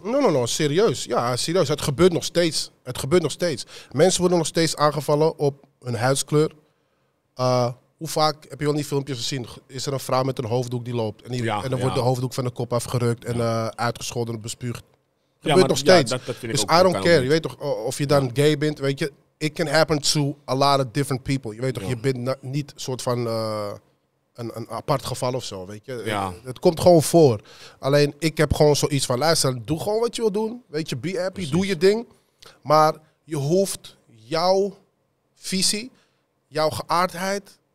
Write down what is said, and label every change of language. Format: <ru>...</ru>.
<nl>No, serieus. Ja, serieus. Het gebeurt nog steeds. Het gebeurt nog steeds. Mensen worden nog steeds aangevallen op hun huidskleur. Hoe vaak heb je al die filmpjes gezien? Is er een vrouw met een hoofddoek die loopt? En dan wordt de hoofddoek van de kop afgerukt en uitgescholden en bespuugd. Gebeurt nog steeds. Dat vind ik</nl> <en>I don't care.</en> <nl>Je weet toch, of je dan gay bent, weet je.</nl> <en>It can happen to a lot of different people.</en> <nl>Je weet toch, je bent niet een soort van een apart geval of zo, weet je. Ja. Het komt gewoon voor. Alleen, ik heb gewoon zoiets van, luister, doe gewoon wat je wil doen. Weet je,</nl> <en>be happy,</en> <nl>precies. Doe je ding. Maar je hoeft jouw visie, jouw geaardheid...</nl>